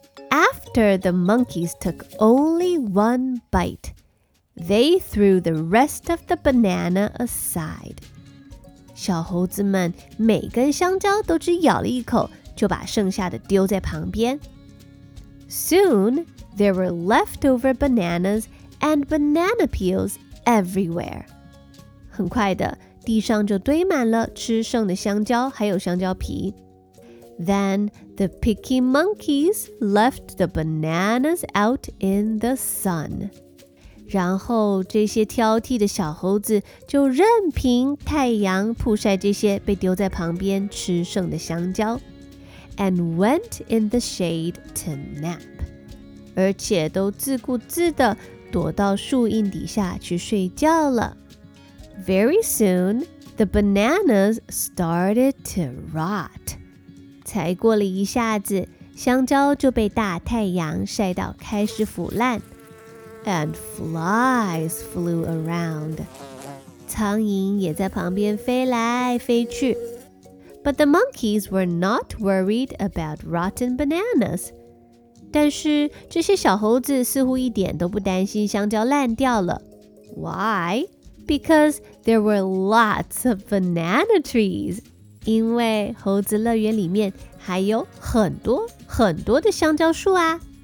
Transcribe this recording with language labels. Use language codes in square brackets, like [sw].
[en] After the monkeys took only one bite, they threw the rest of the banana aside. [zh] 小猴子们每根香蕉都只咬了一口，就把剩下的丢在旁边。 [en] Soon, there were leftover bananas and banana peels everywhere. [zh] 很快的，地上就堆满了吃剩的香蕉还有香蕉皮。 [en] Then the picky monkeys left the bananas out in the sun. [zh] 然后这些挑剔的小猴子就任凭太阳曝晒这些被丢在旁边吃剩的香蕉。 [en] And went in the shade to nap. [zh] 而且都自顾自地躲到树荫底下去睡觉了。 [en] Very soon, the bananas started to rot. [zh] 才过了一下子，香蕉就被大太阳晒到开始腐烂。 [en] And flies flew around. [zh] 苍蝇也在旁边飞来飞去。 [en] But the monkeys were not worried about rotten bananas. [zh] 但是这些小猴子似乎一点都不担心香蕉烂掉了。 [en] Why? Because there were lots of banana trees. [zh] 因为猴子乐园里面还有很多很多的香蕉树啊。